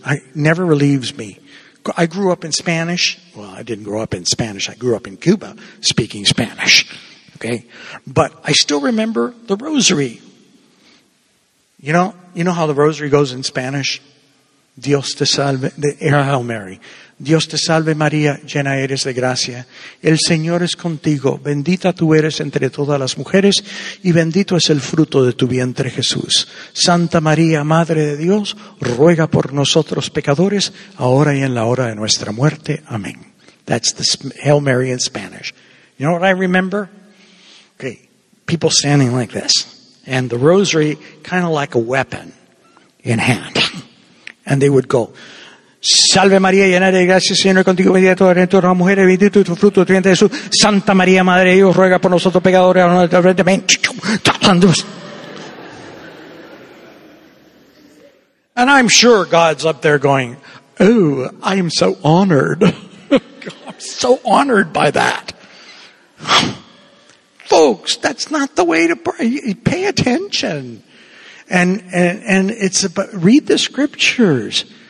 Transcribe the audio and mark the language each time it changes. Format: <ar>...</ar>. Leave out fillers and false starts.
<en>It never relieves me. I grew up in Spanish. Well, I didn't grow up in Spanish. I grew up in Cuba speaking Spanish. Okay? But I still remember the rosary. You know how the rosary goes in Spanish?</en> <es>Dios te salve,</es> <en>Hail Mary.</en> <es>Dios te salve María, llena eres de gracia. El Señor es contigo, bendita tú eres entre todas las mujeres y bendito es el fruto de tu vientre Jesús. Santa María, Madre de Dios, ruega por nosotros pecadores, ahora y en la hora de nuestra muerte.</es> <en>Amén. That's the Hail Mary in Spanish. You know what I remember? Okay, people standing like this. And the rosary, kind of like a weapon in hand. And they would go,</en> <es>Salve María, llena de gracia, Señor, contigo bendita tú eres entre las mujeres, bendito es tu fruto, tu vientre Jesús. Santa María, Madre de Dios, ruega por nosotros pecadores, ahora y en la hora de nuestra muerte. Amén.</es> <en>And I'm sure God's up there going, oh, I am so honored. I'm so honored by that. Folks, that's not the way to pray. Pay attention. And it's about, read the scriptures.</en>